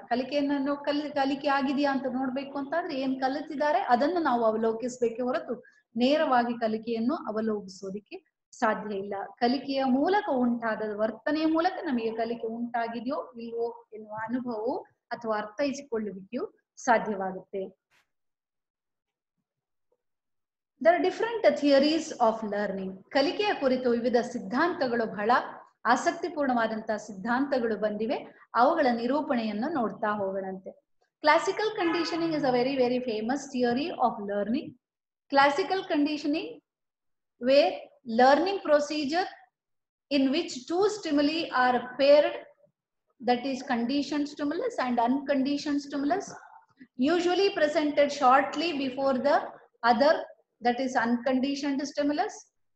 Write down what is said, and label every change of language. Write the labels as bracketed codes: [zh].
[kn] ಕಲಿಕೆಯನ್ನು ಕಲಿಕೆ ಆಗಿದೆಯಾ ಅಂತ ನೋಡ್ಬೇಕು ಅಂತಂದ್ರೆ ಏನ್ ಕಲಿತಿದ್ದಾರೆ ಅದನ್ನು ನಾವು ಅವಲೋಕಿಸ್ಬೇಕೇ ಹೊರತು ನೇರವಾಗಿ ಕಲಿಕೆಯನ್ನು ಅವಲೋಕಿಸೋದಿಕ್ಕೆ ಸಾಧ್ಯ ಇಲ್ಲ. ಕಲಿಕೆಯ ಮೂಲಕ ಉಂಟಾದ ವರ್ತನೆಯ ಮೂಲಕ ನಮಗೆ ಕಲಿಕೆ ಉಂಟಾಗಿದೆಯೋ ಇಲ್ವೋ ಎನ್ನುವ ಅನುಭವವು ಅಥವಾ ಅರ್ಥೈಸಿಕೊಳ್ಳುವಿಕೆಯೂ ಸಾಧ್ಯವಾಗುತ್ತೆ. [en] There are different theories of learning. [kn] ಕಲಿಕೆಯ ಕುರಿತು ವಿವಿಧ ಸಿದ್ಧಾಂತಗಳು, ಬಹಳ ಆಸಕ್ತಿಪೂರ್ಣವಾದಂತಹ ಸಿದ್ಧಾಂತಗಳು ಬಂದಿವೆ. ಅವುಗಳ ನಿರೂಪಣೆಯನ್ನು ನೋಡ್ತಾ ಹೋಗೋಣಂತೆ. [en] Classical conditioning is a very very famous theory of learning. Classical conditioning where learning procedure in which two stimuli are paired that is conditioned stimulus and unconditioned stimulus, usually presented shortly before the other, that is unconditioned stimulus.